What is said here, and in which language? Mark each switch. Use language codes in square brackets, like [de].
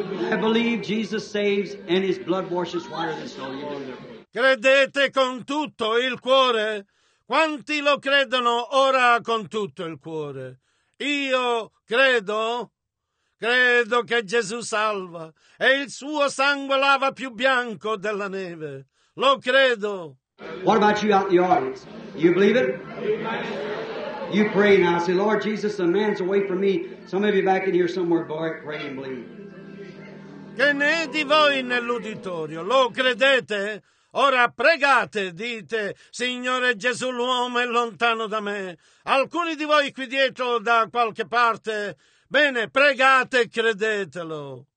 [en] I believe Jesus saves and his blood washes whiter than snow. [it] Credete con tutto il cuore? Quanti lo credono ora con tutto il cuore? Io credo. Credo che Gesù salva e il suo sangue lava più bianco della neve. Lo credo. [en] What about you out in the audience? You believe it? You pray now. Say, Lord Jesus, a man's away from me. Some of you back in here somewhere, boy, pray and believe. [it] Che ne è di voi nell'uditorio? Lo credete? Ora pregate, dite, Signore Gesù, l'uomo è lontano da me. Alcuni di voi qui dietro da qualche parte. Bene, pregate e credetelo.